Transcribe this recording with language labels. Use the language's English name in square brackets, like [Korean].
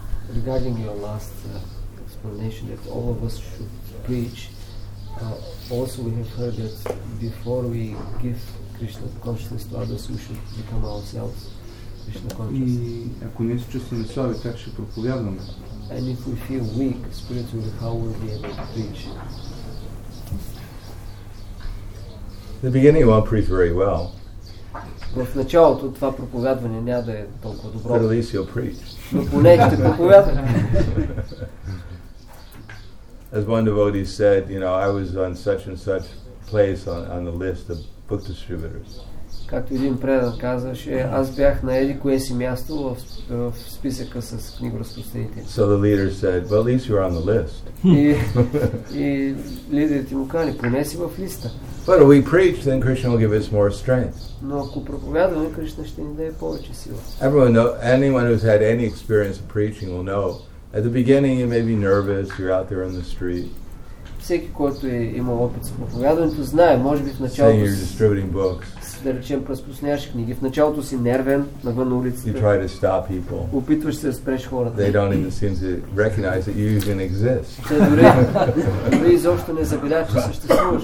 [English] Regarding your last explanation that all of us should preach, also we have heard that before we give Krishna consciousness to others, we should become ourselves Krishna conscious. [Bulgarian] И ако ние се чувстваме слаби, как ще проповядваме? [English] And if we feel weak spiritually, how will we able to preach? The beginning won't preach very well. [Bulgarian] В началото това проповядване няма да е толкова добро. [English] But at least you'll preach. [Bulgarian] Но поне ще проповядваме. [English] As one devotee said, you know, I was on such and such place on the list of book distributors. [Bulgarian] Както един предан казваше, аз бях на еди кое си място в списъка с книгоразпространители. [English] So the leader said, well, at least you're on the list. [Bulgarian] И лидерът му каза, поне си в листа. [English] But if we preach, then Krishna will give us more strength. [Bulgarian] Но ако проповядваме, Кришна ще ни даде повече сила. [English] Anyone who's had any experience of preaching will know. At the beginning you may be nervous, you're out there on the street. [Bulgarian] Всеки, който е имал опит с проповядването, знае, може би в началото. [English] You're distributing books. [Bulgarian] Да речем, разпространяваш книги. В началото си нервен навън на улицата. [English] You try to stop people. [Bulgarian] Опитваш се да спреш хората. [English] They don't even seem to recognize that you even exist. [Bulgarian] Те дори изобщо не забелязват, че съществуваш.